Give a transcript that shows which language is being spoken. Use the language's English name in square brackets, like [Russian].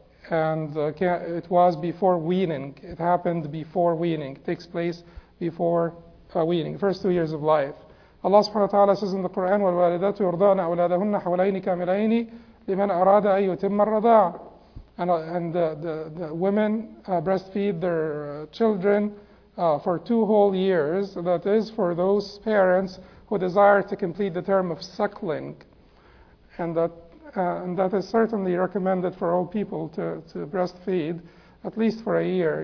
[English] It was before weaning. It happened before weaning. It takes place before weaning, first 2 years of life. Allah subhanahu wa ta'ala says in the Quran, [Arabic] وَالْوَالِدَاتُ يُرْضَعْنَ أَوْلَادَهُنَّ حَوْلَيْنِ كَامِلَيْنِ لِمَنْ أَرَادَ أَنْ يُتِمَّ الرَّضَاعَ. [English] And the women breastfeed their children for 2 whole years, that is for those parents who desire to complete the term of suckling. And that is certainly recommended for all people to breastfeed at least for a year.